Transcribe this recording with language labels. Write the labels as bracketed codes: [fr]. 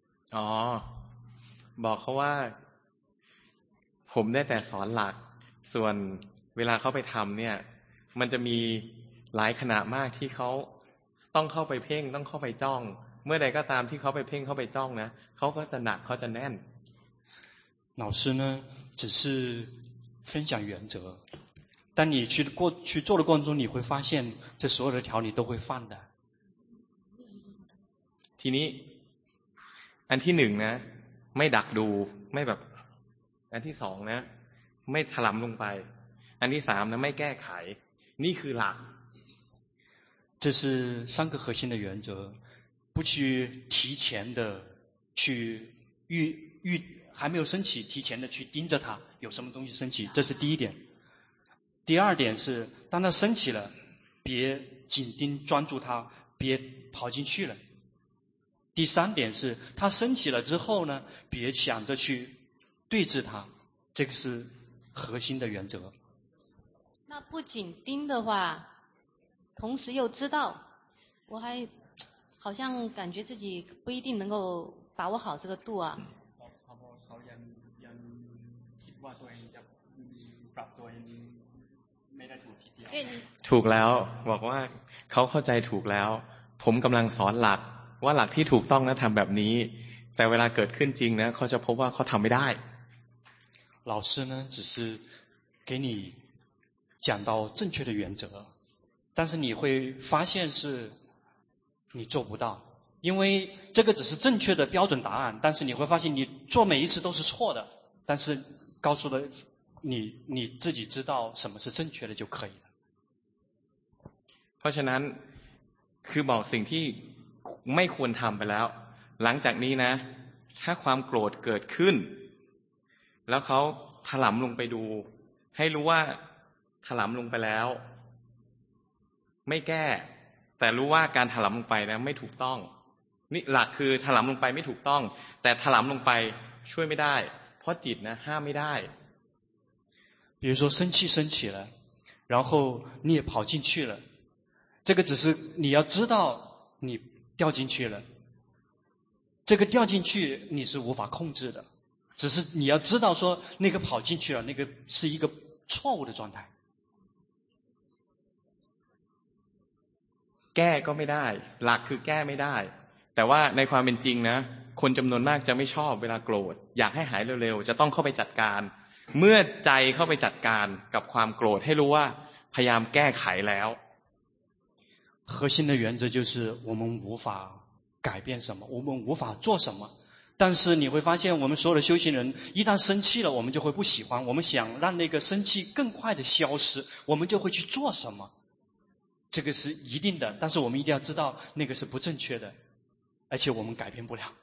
[th] 哦，บอกเขาว่าผมได้แต่สอนหลักส่วนเวลาเขาไปทำเนี่ยมันจะมีหลายขณะมากที่เขาต้องเข้าไปเพ่งต้องเข้าไปจ้องเมื่อใดก็ตามที่เขาไปเพ่งเข้าไปจ้องนะเขาก็จะหนักเขาจะแน่ [zh] น老师呢只是分享原则当你去过去做的过程中你会发现这所有的条你都会犯的 [th] ทีนี้อันที่หนึ่งนะไม่ดักดูไม่แบบอันที่สองนะไม่ถลำลงไปอันที่สามนะไม่แก้ไขนี่คือหลัก [zh] 这是三个核心的原则不去提前的去预还没有升起提前的去盯着它有什么东西升起这是第一点第二点是当它升起了别紧盯专注它别跑进去了第三点是它升起了之后呢别想着去对峙它这个是核心的原则那不紧盯的话同时又知道我还好像感觉自己不一定能够把握好这个度啊。 [th] ถูกแล้วบอกว่าเขาเข้าใจถูกแล้วผมกำลังสอนหลักว่าหลักที่ถูกต้องนะทำแบบนี้แต่เวลาเกิดขึ้นจริงนะเขาจะพบว่าเขาทำไม่ได้ [zh] 老师呢只是给你讲到正确的原则但是你会发现是你做不到因为这个只是正确的标准答案但是你会发现你做每一次都是错的但是告诉了你你自己知道什么是正确的就可以了 [th] เพราะฉะนั้นคือบอกสิ่งที่ไม่ควรทำไปแล้วหลังจากนี้นะถ้าความโกรธเกิดขึ้นแล้วเขาถลำลงไปดูให้รู้ว่าถลำลงไปแล้วไม่แก้แต่รู้ว่าการถลำลงไปนะไม่ถูกต้องนี่หลักคือถลำลงไปไม่ถูกต้องแต่ถลำลงไปช่วยไม่ได้เพราะจิตนะห้ามไม่ได้ [zh] 比如说生气升起了然后你也跑进去了这个只是你要知道你掉进去了这个掉进去你是无法控制的只是你要知道说那个跑进去了那个是一个错误的状态 [th] แก้ก็ไม่ได้หลักคือแก้ไม่ได้แต่ว่าในความเป็นจริงนะคนจำนวนมากจะไม่ชอบเวลาโกรธอยากให้หายเร็วๆจะต้องเข้าไปจัดการเมื่อใจเข้าไปจัดการกับความโกรธให้รู้ว่าพยายามแก้ไขแล้ว [zh] 核心的原则就是我们无法改变什么我们无法做什么但是你会发现我们所有的修行人一旦生气了我们就会不喜欢我们想让那个生气更快的消失我们就会去做什么这个是一定的但是我们一定要知道那个是不正确的而且我们改变不了